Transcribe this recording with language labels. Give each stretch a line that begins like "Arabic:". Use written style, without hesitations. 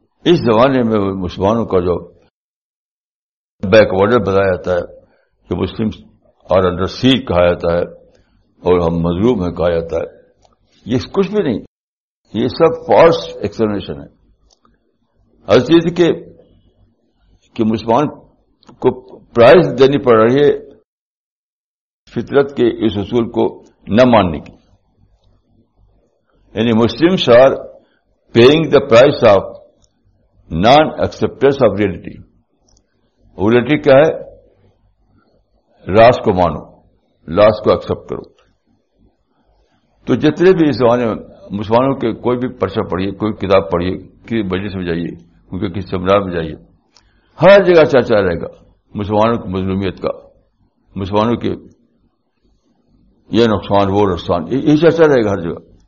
Urdu: اس زمانے میں مسلمانوں کا جو بیک ورڈر بتایا جاتا ہے کہ
English: Muslim are under siege
Urdu: کہا جاتا ہے اور ہم مظلوم ہیں کہا جاتا ہے, یہ کچھ بھی نہیں, یہ سب فالس ایکسپلینیشن ہے. ہر چیز کہ مسلمان کو پرائز دینی پڑ رہی ہے فطرت کے اس اصول کو نہ ماننے کی.
English: یعنی Muslim are paying the price of non acceptance of reality.
Urdu: Reality کیا ہے؟ لاس کو مانو, لاس کو ایکسپٹ کرو. تو جتنے بھی اس زمانے میں مسلمانوں کے کوئی بھی پرچہ پڑھیے, کوئی کتاب پڑھیے, کسی مجلس میں جائیے, ان کے کسی سیمینار میں جائیے, ہر جگہ چرچا رہے گا مسلمانوں کی مظلومیت کا, مسلمانوں کے یہ نقصان وہ نقصان, یہ چرچا رہے گا ہر جگہ.